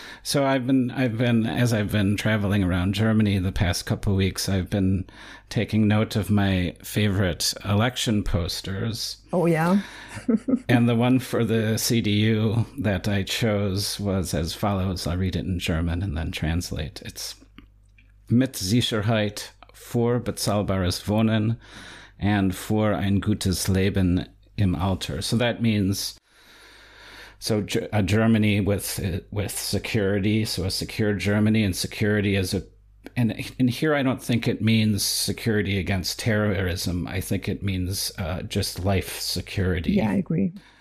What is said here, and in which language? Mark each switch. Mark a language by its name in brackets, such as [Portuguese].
[English] So I've been traveling around Germany the past couple of weeks, I've been taking note of my favorite election posters. Oh, yeah. And the one for the CDU that I chose was as follows. I'll read it in German and then translate. [German] It's mit Sicherheit für bezahlbares Wohnen und für ein gutes Leben im Alter. [English] So that means, so a Germany with security, so a secure Germany, and security as a, and here I don't think it means security against terrorism. I think it means just life security. Yeah, I agree.